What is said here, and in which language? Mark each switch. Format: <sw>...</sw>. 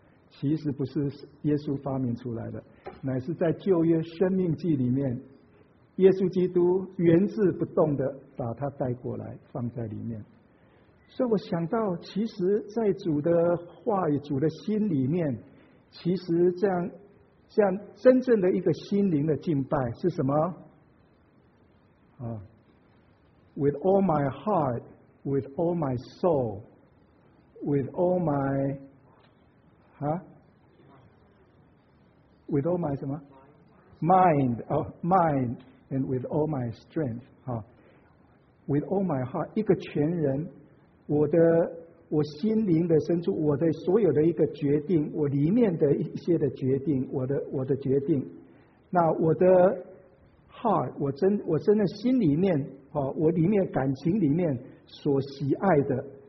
<zh>其实不是耶稣发明出来的，乃是在旧约生命记里面，耶稣基督原字不动的把它带过来放在里面。所以我想到，其实在主的话语、主的心里面，其实这样真正的一个心灵的敬拜是什么？啊，</zh> <en>with all my heart, with all my soul, with all my, with all my</en> <zh>什么?</zh> <en>Mind, mind, and with all my strength, with all my heart,</en> <zh>一个全人，我的我心灵的深处，我的所有的一个决定，我里面的一些的决定，我的决定，那我的 heart， 我真的心里面，我里面感情里面所喜爱的。</zh>